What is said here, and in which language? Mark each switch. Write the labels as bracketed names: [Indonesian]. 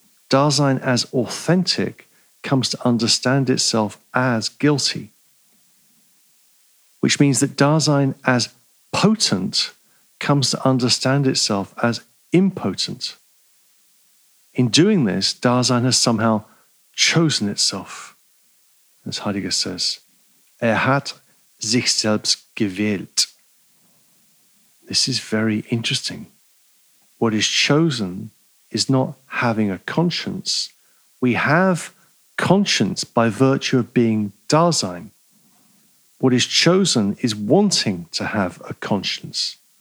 [English] Dasein as authentic comes to understand itself as guilty, which means that Dasein as potent comes to understand itself as impotent. In doing this, Dasein has somehow chosen itself. As Heidegger says, [German] er hat sich selbst gewählt. [English] This is very interesting. What is chosen is not having a conscience. We have conscience by virtue of being Dasein. What is chosen is wanting to have a conscience.